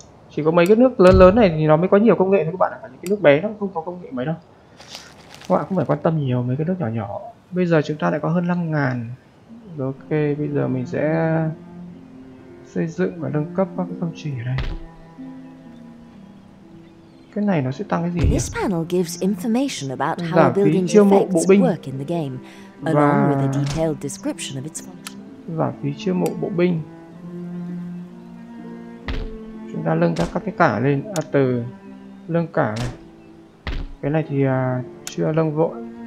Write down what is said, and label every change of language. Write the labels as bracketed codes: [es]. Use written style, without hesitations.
[vi] Chỉ có mấy cái nước lớn lớn này thì nó mới có nhiều công nghệ thôi các bạn ạ. Còn những cái nước bé nó không có công nghệ mấy đâu. Các bạn không phải quan tâm nhiều mấy cái nước nhỏ nhỏ. Bây giờ chúng ta lại có hơn 5.000. Ok, bây giờ mình sẽ xây dựng và nâng cấp các công trình ở đây. Cái này nó sẽ tăng cái gì nhỉ? [en] This panel gives information about how building effects work in the game, along with a detailed description of its function. [vi] Giảm phí chiêu mộ bộ binh. Chúng ta lưng các cái cả lên, từ lưng cả này. Cái này thì chưa lưng vội.